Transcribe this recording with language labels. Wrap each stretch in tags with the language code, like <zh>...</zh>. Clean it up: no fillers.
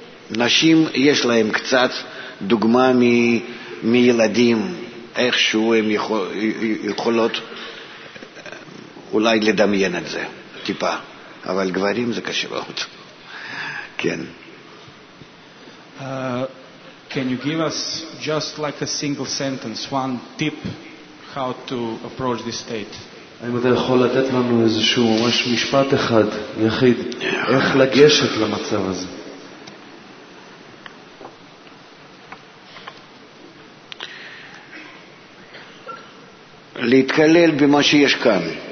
<he>נשים יש להם קצת דוגמה מילדים, איכשהו הם יכולות אולי לדמיין את זה טיפה, אבל גברים זה קשה מאוד. כן.</he> <en>Can you give us just like a single sentence, one tip how to approach this state?</en> <he>האם אתה יכול לתת לנו איזשהו ממש משפט אחד, יחיד, איך לגשת למצב הזה? להתקלל במה שיש כאן.</he>